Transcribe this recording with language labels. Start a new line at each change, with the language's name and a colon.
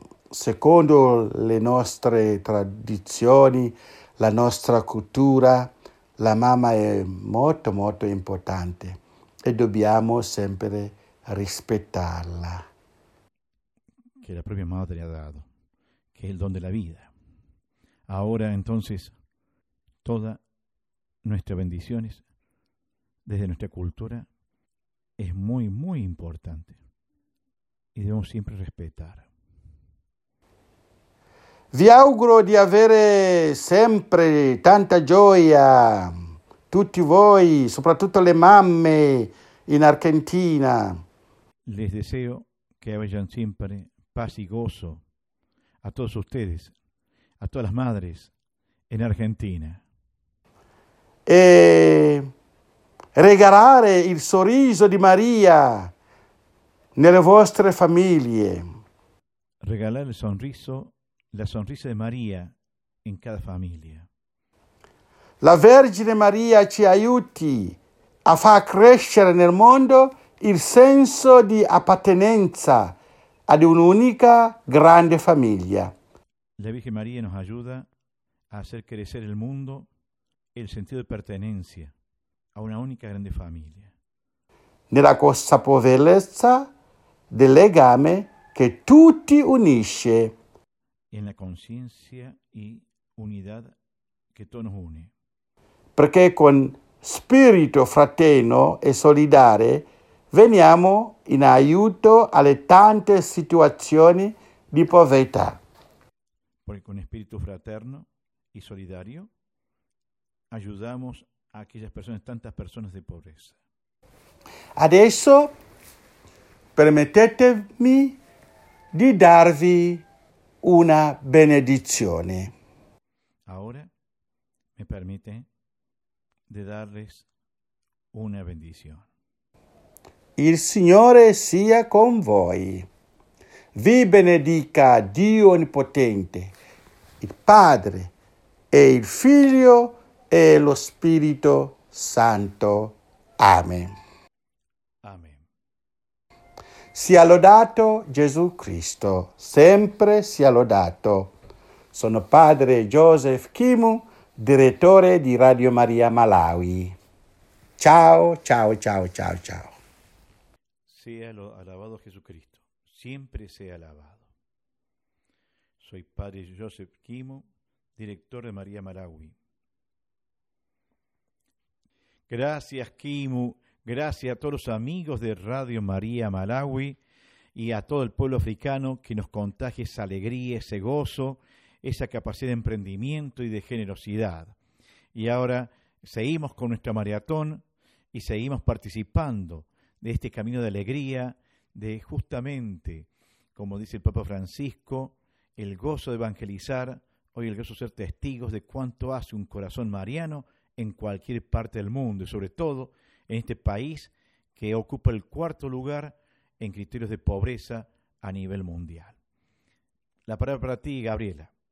Italian: secondo le nostre tradizioni, la nostra cultura, la mamma è molto, molto importante e dobbiamo sempre rispettarla. Che la propria madre ha dato, che è il don della vita.
Spanish: Ora, entonces, toda nuestra bendiciones desde nuestra cultura es muy, muy importante y debemos siempre respetar.
Italian: Vi auguro di avere sempre tanta gioia, tutti voi, soprattutto le mamme in Argentina.
Spanish: Les deseo que hayan siempre paz y gozo a todos ustedes, a todas las madres en Argentina.
Italian: E regalare il sorriso di Maria nelle vostre famiglie. Regalare il sorriso.
Spanish: La sonrisa de María en cada familia.
Italian: La Vergine María ci aiuti a far crescere nel mondo il senso di appartenenza ad un'unica grande famiglia.
Spanish: La Virgen María nos ayuda a hacer crecer el mundo el sentido de pertenencia a una única grande familia.
Italian: Nella consapevolezza del legame che tutti unisce.
Spanish: En la conciencia y unidad que todos nos une.
Italian: Porque con spirito fraterno e solidare veniamo in aiuto alle tante situazioni di povertà.
Spanish: Porque con espíritu fraterno y solidario ayudamos a aquellas personas, tantas personas de pobreza.
Italian: Adesso permettetemi di darvi una benedizione.
Spanish: Ahora me permite de darles una bendición.
Italian: Il Signore sia con voi. Vi benedica Dio onnipotente, il Padre e il Figlio e lo Spirito Santo. Amen. Amen. Sia lodato Gesù Cristo, sempre sia lodato. Sono Padre Joseph Kimu, direttore di Radio Maria Malawi. Ciao, ciao, ciao, ciao, ciao.
Spanish: Sia alabado Jesucristo, sempre sia alabado. Soy Padre Joseph Kimu,
Italian: direttore di
Spanish: Maria Malawi. Gracias Kimu, gracias a todos los amigos de Radio María Malawi y a todo el pueblo africano que nos contagie esa alegría, ese gozo, esa capacidad de emprendimiento y de generosidad. Y ahora seguimos con nuestra maratón y seguimos participando de este camino de alegría, de justamente, como dice el Papa Francisco, el gozo de evangelizar, hoy el gozo de ser testigos de cuánto hace un corazón mariano en cualquier parte del mundo, y sobre todo en este país que ocupa el cuarto lugar en criterios de pobreza a nivel mundial. La palabra para ti, Gabriela.